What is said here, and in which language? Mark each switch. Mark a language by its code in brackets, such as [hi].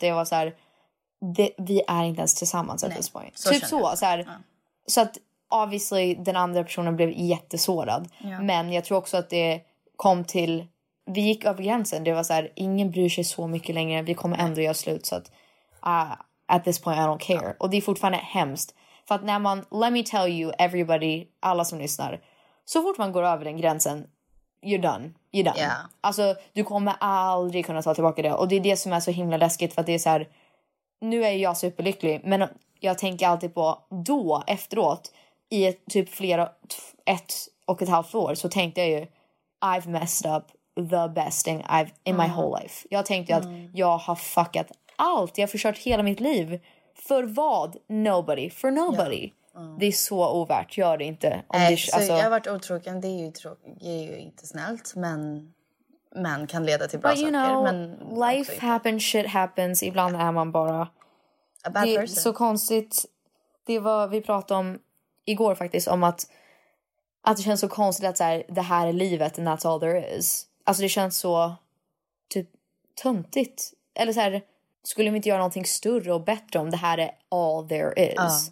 [sv] Där jag var så här, vi är inte ens tillsammans [en] at this point. [sv] Så typ så. Så, här, så att obviously den andra personen blev jättesårad. Yeah. Men jag tror också att det kom till... Vi gick över gränsen. Det var så här, ingen bryr sig så mycket längre. Vi kommer ändå göra slut. Så att, [en] at this point I don't care. Yeah. [sv] Och det är fortfarande hemskt. För att när man, [en] let me tell you everybody, [sv] alla som lyssnar. Så fort man går över den gränsen, [en] you're done. You're done. Yeah. [sv] Alltså, du kommer aldrig kunna ta tillbaka det. Och det är det som är så himla läskigt. För att det är så här, nu är jag superlycklig. Men jag tänker alltid på då, efteråt, i ett, typ flera, ett och ett halvt år, så tänkte jag ju, [en] I've messed up the best thing I've in my whole life. [sv] Jag tänkte ju att jag har fuckat allt. Jag har förstört hela mitt liv. För vad? [en] Nobody. For nobody. [sv] Yeah. Mm. Det är så ovärt. Gör det inte. Om det, alltså... Jag har varit otrogen. Det är ju, är ju inte snällt. Men kan leda till bra saker. [en] But you know, [sv] men [en] life happens, shit happens. [sv] Ibland är man bara... [en] A bad [sv] det är [en] person. [sv] Så konstigt. Det var vi pratade om igår faktiskt. Om att det känns så konstigt att så här, det här är livet. [en] And that's all there is. [sv] Alltså det känns så typ töntigt. Eller så här, skulle vi inte göra någonting större och bättre om det här är [en] all there is?